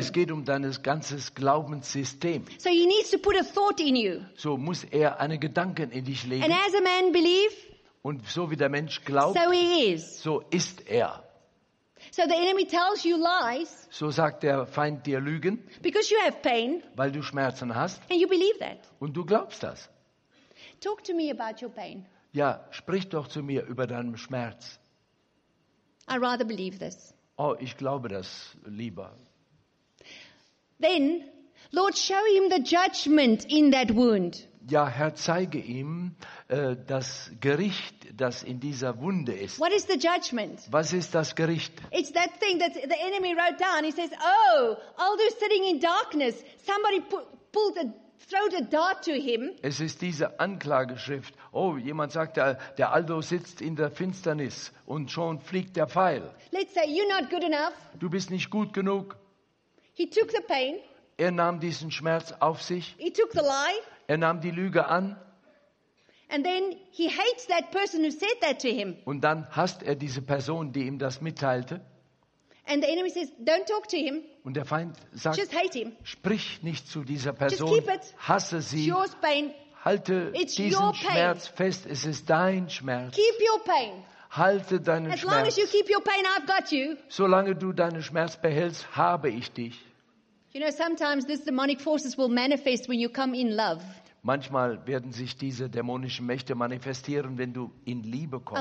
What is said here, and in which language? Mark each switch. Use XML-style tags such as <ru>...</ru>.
<de>Es geht um dein ganzes Glaubenssystem.</de> <en>So he needs to put a thought in you.</en> <de>So muss er einen Gedanken in dich legen.</de> <en>And as a man believe,</en> <de>und so wie der Mensch glaubt,</de> <en>so he is.</en> <de>So ist er.</de> <en>So the enemy tells you lies.</en> <de>So sagt der Feind dir Lügen.</de> <en>Because you have pain.</en> <de>Weil du Schmerzen hast.</de> <en>And you believe that.</en> <de>Und du glaubst das.</de> <en>Talk to me about your pain.</en> <de>Ja, sprich doch zu mir über deinen Schmerz.</de> <en>I rather believe this.</en> <de>Oh, ich glaube das lieber.</de> <en>Then, Lord, show him the judgment in that wound.</en> <de>Ja, Herr, zeige ihm das Gericht, das in dieser Wunde ist.</de> <en>What is the judgment?</en> <de>Was ist das Gericht?</de> <en>It's that thing that the enemy wrote down. He says, "Oh, Aldo's sitting in darkness. Somebody throwed a dart to him."</en> <de>Es ist diese Anklageschrift. Oh, jemand sagt, der Aldo sitzt in der Finsternis und schon fliegt der Pfeil.</de> <en>Let's say you're not good enough.</en> <de>Du bist nicht gut genug.</de> <en>He took the pain.</en> <de>Er nahm diesen Schmerz auf sich.</de> <en>He took the lie.</en> <de>Er nahm die Lüge an.</de> <en>And then he hates that person who said that to him.</en> <de>Und dann hasst er diese Person, die ihm das mitteilte.</de> <en>And the enemy says, "Don't talk to him."</en> <de>Und der Feind sagt,</de> <en>just hate him.</en> <de>Sprich nicht zu dieser Person.</de> <en>Just keep it.</en> <de>Hasse sie.</de> <en>It's your pain.</en> <de>Halte</de> <en>It's</en> <de>diesen</de> <en>your pain.</en> <de>Schmerz fest. Es ist dein Schmerz.</de> <en>Keep your pain.</en> <de>Halte deinen</de> <en>as</en> <de>Schmerz.</de> <en>Long as you keep your pain, I've got you.</en> <de>Solange du deinen Schmerz behältst, habe ich dich.</de> <en>You know, sometimes these demonic forces will manifest when you come in love.</en> <de>Manchmal werden sich diese dämonischen Mächte manifestieren, wenn du in Liebe kommst.</de>